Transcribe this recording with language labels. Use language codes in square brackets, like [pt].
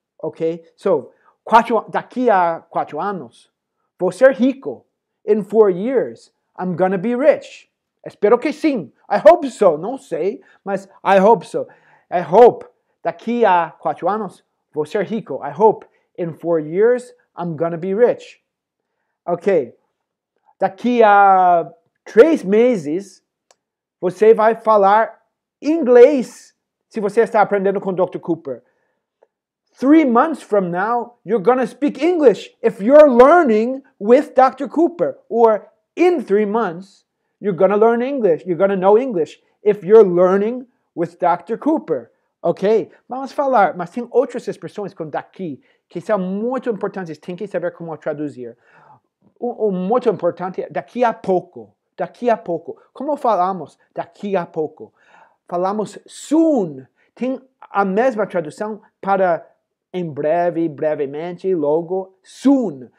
[pt] Ok? So, daqui a 4 anos, vou ser rico. [en] In 4 years, I'm gonna be rich. [pt] Espero que sim. [en] I hope so. [pt] Não sei, mas [en] I hope so. I hope [pt] daqui a 4 anos, vou ser rico. [en] I hope in 4 years, I'm gonna be rich. [pt] Ok. Daqui a 3 meses, você vai falar inglês. Se você está aprendendo com Dr. Cooper. [en] 3 months from now, you're gonna speak English if you're learning with Dr. Cooper. Or in 3 months, you're gonna learn English. You're gonna know English if you're learning with Dr. Cooper. Ok? [pt] Vamos falar, mas tem outras expressões com daqui que são muito importantes. Tem que saber como traduzir. O muito importante é daqui a pouco. Daqui a pouco. Como falamos daqui a pouco? Falamos soon. Tem a mesma tradução para em breve, brevemente, logo, soon.